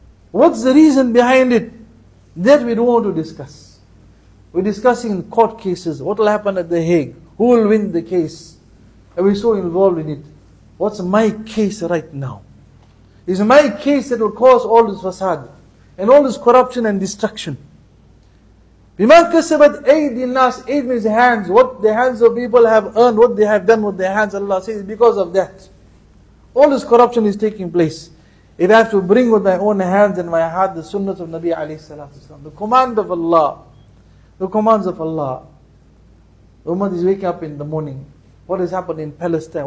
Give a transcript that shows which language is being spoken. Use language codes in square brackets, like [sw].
[en] What's the reason behind it? That we don't want to discuss. We're discussing in court cases, what will happen at The Hague, who will win the case. Are we so involved in it? What's my case right now? Is my case that will cause all this fasad and all this corruption and destruction? [ar] بِمَا كَسَبَتْ أَيْدِ النَّاسِ [en] Aid means hands. What the hands of people have earned, what they have done with their hands, Allah says, because of that. All this corruption is taking place. If I have to bring with my own hands and my heart the sunnah of Nabi alayhi salatu wasalam, the command of Allah, the commands of Allah. The woman is waking up in the morning. What has happened in Palestine?